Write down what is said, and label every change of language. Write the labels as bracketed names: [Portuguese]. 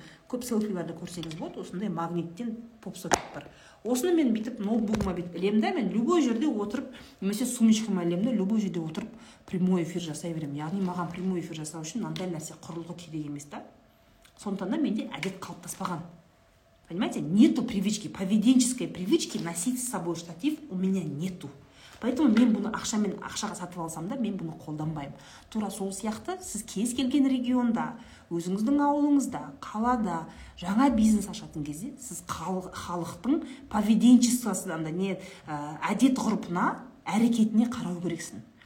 [Kazakh] Көп селфиларды көрсеңіз болады, осындай магниттен поп-сокет бар. Осыны мен бүйтіп ноутбугыма білем да, мен любой жерде отырып, немесе сумочкама білем да, любой жерде отырып прямой эфир жасай беремін. Яғни маған прямой эфир жасау үшін мынандай нәрсе құрылғы керек емес та. Сондықтан да менде әдет қалыптаспаған. [Russian] Понимаете, нету привычки, поведенческой привычки носить с собой штатив у меня нету. [Kazakh] Поэтому мен бұны ақшамен, ақшаға сатып алсам да, мен бұны қолданбаймын. Тура сол сияқты, сіз кез келген регионда, өзіңіздің ауылыңызда, қалада, жаңа бизнес ашатын кезде, сіз халықтың поведенчествосынан да, әдет ғұрпына, әрекетіне қарау керексің.